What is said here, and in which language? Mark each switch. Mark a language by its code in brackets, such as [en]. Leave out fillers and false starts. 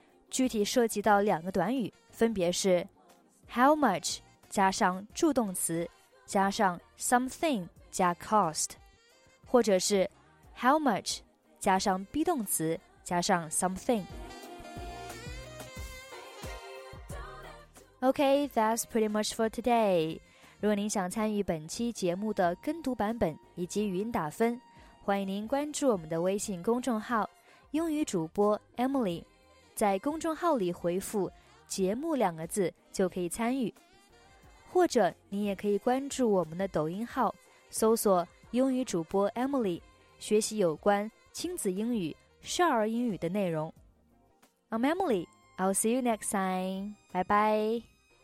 [zh] 具体涉及到两个短语，分别是 how much 加上助动词，加上 something 加 cost， 或者是 how much 加上 be 动词，加上 something。 [en] Okay, that's pretty much for today. [zh] 如果您想参与本期节目的跟读版本以及语音打分，欢迎您关注我们的微信公众号英语主播 Emily， 在公众号里回复节目两个字就可以参与，或者您也可以关注我们的抖音号，搜索英语主播 Emily， 学习有关亲子英语、少儿英语的内容。 [en] I'm Emily, I'll see you next time. Bye bye.